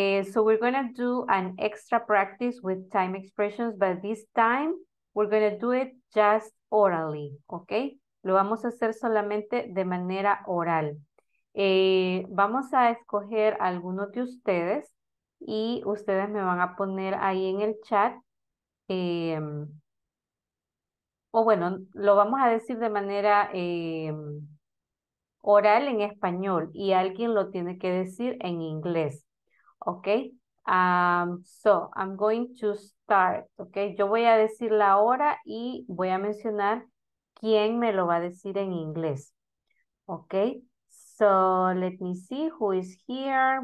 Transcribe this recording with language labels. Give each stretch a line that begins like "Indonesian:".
English: So we're gonna do an extra practice with time expressions, but this time we're gonna do it just orally, okay?
Spanish: Lo vamos a hacer solamente de manera oral. Vamos a escoger a algunos de ustedes y ustedes me van a poner ahí en el chat. O bueno, lo vamos a decir de manera oral en español y alguien lo tiene que decir en inglés.
English: Ok, so I'm going to start.
Spanish: Ok, yo voy a decir la hora y voy a mencionar quién me lo va a decir en inglés.
English: Ok, so let me see who is here.